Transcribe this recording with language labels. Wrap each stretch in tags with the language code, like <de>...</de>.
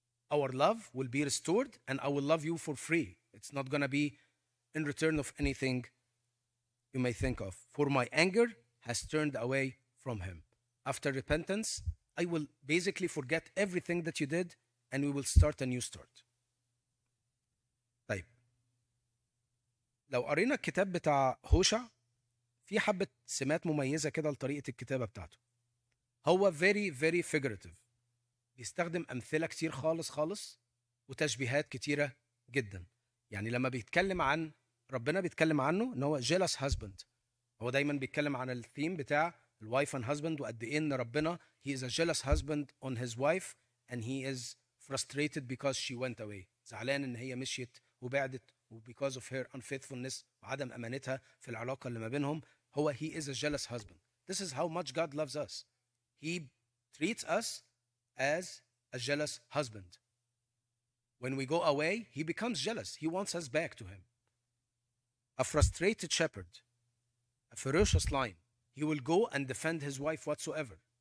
<en>Our love will be restored and I will love you for free. It's not going to be in return of anything you may think of. For my anger has turned away from him. After repentance, I will basically forget everything that you did and we will start a new start.</en> <ar>طيب. لو قرينا الكتاب بتاع هوشع في حبة سمات مميزة كده لطريقة الكتابة بتاعته. هو</ar> <en>very very figurative.</en> <ar>بيستخدم أمثلة كتير خالص خالص وتشبيهات كتيرة جدا. يعني لما بيتكلم عن ربنا بيتكلم عنه إن هو</ar> <en>jealous husband.</en> <ar>هو دايما بيتكلم عن الثيم بتاع الwife</ar> <en>and husband</en> <ar>وقد إيه إن ربنا</ar> <en>he is a jealous husband on his wife and he is frustrated because she went away.</en> <ar>زعلان إن هي مشيت وبعدت</ar> <en>because of her unfaithfulness</en> <ar>وعدم أمانتها في العلاقة اللي ما بينهم. هو</ar> <en>he is a jealous husband. This is how much God loves us. He treats us as a jealous husband. When we go away, he becomes jealous. He wants us back to him. A frustrated shepherd, a ferocious lion, he will go and defend his wife whatsoever.</en>